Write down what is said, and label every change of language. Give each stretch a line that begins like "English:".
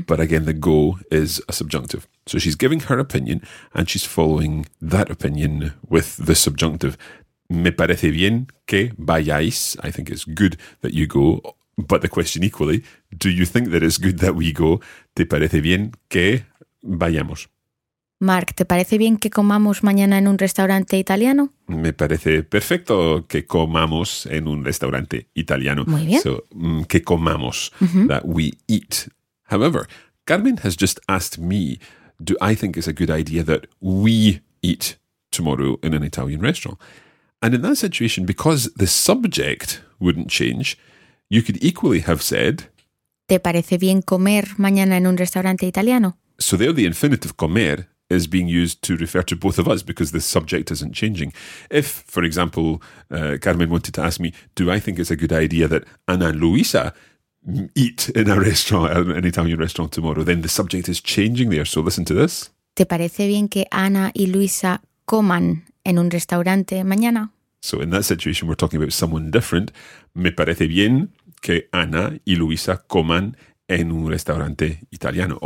English: but again, the go is a subjunctive. So she's giving her opinion and she's following that opinion with the subjunctive.
Spanish: Me parece bien que vayáis.
English: I think it's good that you go. But the question equally, do you think that it's good that we go?
Spanish: ¿Te parece bien que vayamos? Mark, ¿te parece bien que comamos mañana en un restaurante italiano? Me parece perfecto que comamos en un restaurante italiano. Muy bien. So, que comamos, mm-hmm.
English: that we eat. However, Carmen has just asked me, do I think it's a good idea that we eat tomorrow in an Italian restaurant? And in that situation, because the subject wouldn't change, you could equally have said,
Spanish: ¿te parece bien comer mañana en un restaurante italiano?
English: So there the infinitive comer is being used to refer to both of us because the subject isn't changing. If, for example, Carmen wanted to ask me, do I think it's a good idea that Anna and Luisa eat in a restaurant, an Italian restaurant tomorrow, then the subject is changing there. So listen to this.
Spanish: ¿Te parece bien que Ana y Luisa coman en un restaurante mañana?
English: So in that situation, we're talking about someone different.
Spanish: Me parece bien que Ana y Luisa coman en un restaurante italiano.